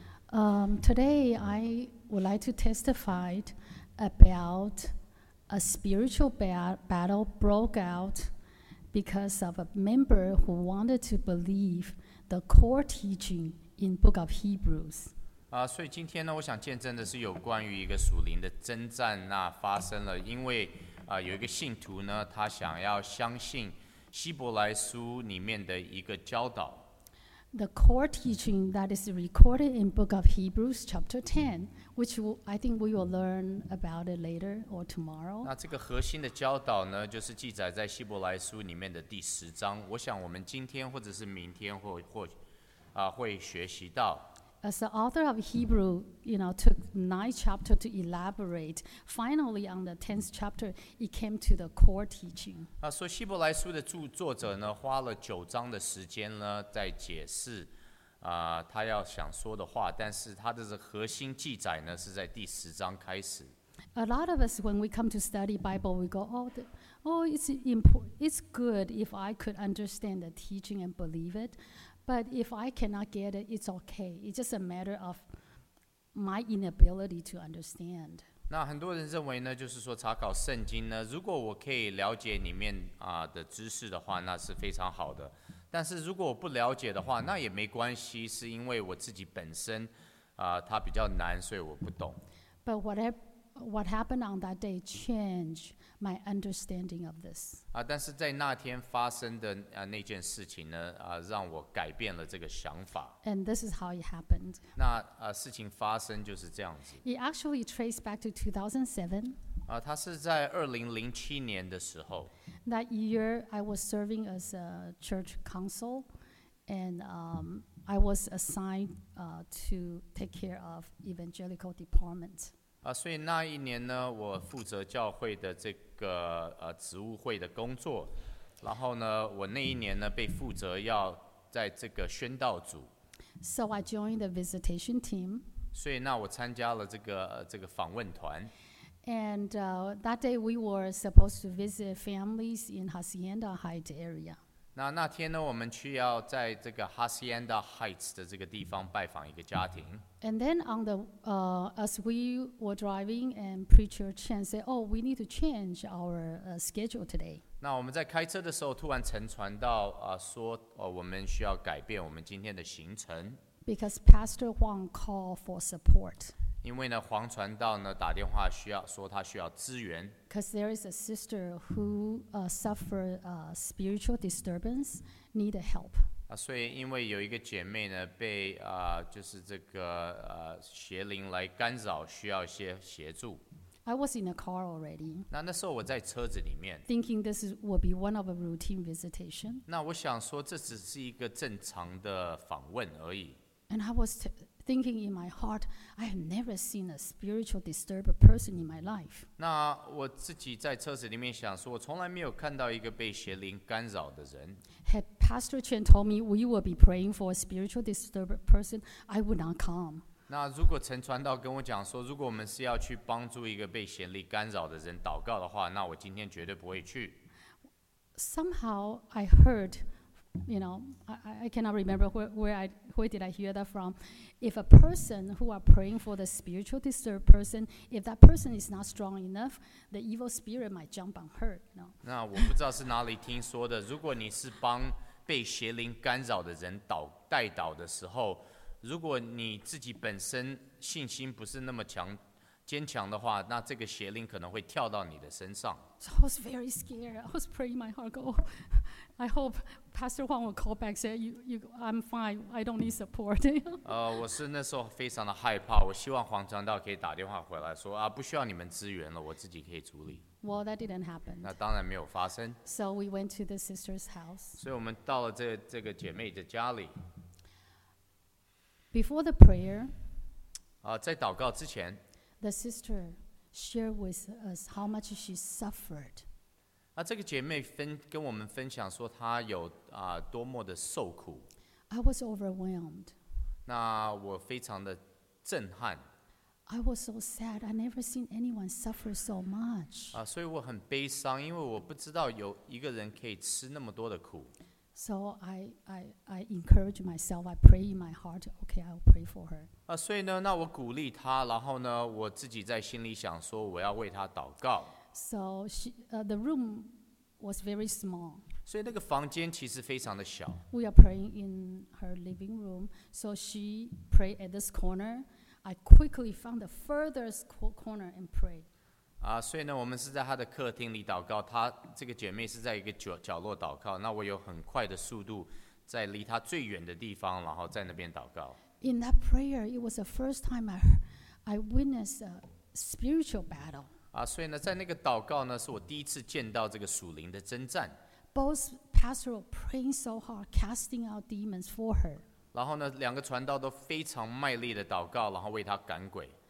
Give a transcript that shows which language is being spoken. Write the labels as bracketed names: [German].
[English] Today I would like to testify about a spiritual battle broke out because of a member who wanted to believe the core teaching in Book of Hebrews. [Chinese] 所以今天呢，我想见证的是有关于一个属灵的征战那发生了，因为有一个信徒呢，他想要相信希伯来书里面的一个教导。 [English] The core teaching that is recorded in Book of Hebrews chapter 10, which I think we will learn about it later or tomorrow. [Chinese] 那这个核心的教导呢，就是记载在希伯来书里面的第十章。我想我们今天或者是明天会学习到。 [English] As the author of Hebrew, took 9 chapters to elaborate, finally on the 10th chapter, it came to the core teaching. [Chinese] 所以希伯来书的作者呢，花了九章的时间呢，在解释他要想说的话，但是他的核心记载呢，是在第十章开始。 [English] A lot of us, when we come to study Bible, we go, it's good if I could understand the teaching and believe it. But if I cannot get it, it's okay. It's just a matter of my inability to understand. [Chinese] 那很多人认为呢，就是说查考圣经呢，如果我可以了解里面的知识的话，那是非常好的。但是如果我不了解的话，那也没关系，是因为我自己本身它比较难，所以我不懂。 [English] But what happened on that day changed my understanding of this. [Chinese] 啊，但是在那天发生的那件事情呢，让我改变了这个想法。 [English] And this is how it happened. [Chinese] 那事情发生就是这样子。 [English] It actually traced back to 2007. [Chinese] 啊，它是在2007年的时候。 [English] That year, I was serving as a church council, and I was assigned to take care of evangelical department. [Chinese] 啊，所以那一年呢，我负责教会的这个职务会的工作，然后呢，我那一年呢被负责要在这个宣道组。 [English] So I joined the visitation team. [Chinese] 所以那我参加了这个访问团。 [English] And that day we were supposed to visit families in Hacienda Heights area. [Chinese] 那天呢，我们去要在这个 Hacienda Heights 的这个地方拜访一个家庭。 [English] And then on the as we were driving, and preacher Chen said, "Oh, we need to change our schedule today." [Chinese] 那我们在开车的时候，突然乘船到说我们需要改变我们今天的行程。 [English] Because Pastor Huang called for support. [Chinese] 因为呢，黄传道呢打电话需要说他需要支援。 [English] Because there is a sister who suffered spiritual disturbance, need help. [Chinese] 所以因为有一个姐妹呢被就是这个邪灵来干扰，需要一些协助。 [English] I was in a car already. [Chinese] 那时候我在车子里面。 [English] Thinking this will be one of a routine visitation. [Chinese] 那我想说这只是一个正常的访问而已。 [English] And I was thinking in my heart, I have never seen a spiritual disturbed person in my life. [Chinese] 那我自己在车子里面想说，我从来没有看到一个被邪灵干扰的人。 [English] Had Pastor Chen told me we will be praying for a spiritual disturbed person, I would not come. [Chinese] 那如果陈传道跟我讲说，如果我们是要去帮助一个被邪灵干扰的人祷告的话，那我今天绝对不会去。 [English] Somehow I heard, you know, I cannot remember where did I hear that from. If a person who are praying for the spiritual disturbed person, if that person is not strong enough, the evil spirit might jump on her. No. [Chinese] 那我不知道是哪里听说的。如果你是帮被邪灵干扰的人代祷的时候，如果你自己本身信心不是那么强坚强的话，那这个邪灵可能会跳到你的身上。 [English] So I was very scared. I was praying my heart go. I hope Pastor Huang will call back, say you, I'm fine. I don't need support. [Chinese] 我是那时候非常的害怕。我希望黄传道可以打电话回来说不需要你们支援了，我自己可以处理。 [English] Well, that didn't happen. [Chinese] 那当然没有发生。 [English] So we went to the sister's house. [Chinese] 所以我们到了这个姐妹的家里。 [English] Before the prayer. [Chinese] 在祷告之前。 [English] The sister shared with us how much she suffered. [Chinese] 这个姐妹跟我们分享说她有多么的受苦。 [English] I was overwhelmed. [Chinese] 那我非常的震撼。 [English] I was so sad. I never seen anyone suffer so much. [Chinese] 所以我很悲伤，因为我不知道有一个人可以吃那么多的苦。 [English] So I encourage myself. I pray in my heart. Okay, I'll pray for her. [Chinese] 所以呢，那我鼓励她，然后呢，我自己在心里想说，我要为她祷告。 [English] So the room was very small. [Chinese] 所以那个房间其实非常的小。 [English] We are praying in her living room. So she prayed at this corner. I quickly found the furthest corner and prayed. [Chinese] 所以呢，我们是在他的客厅里祷告，他这个姐妹是在一个角落祷告。那我有很快的速度，在离他最远的地方，然后在那边祷告。 [English] In that prayer, it was the first time I witnessed a spiritual battle. [Chinese] 所以呢，在那个祷告呢，是我第一次见到这个属灵的征战。 [English] Both pastors praying so hard, casting out demons for her. [Chinese] 然后呢，两个传道都非常卖力的祷告，然后为他赶鬼。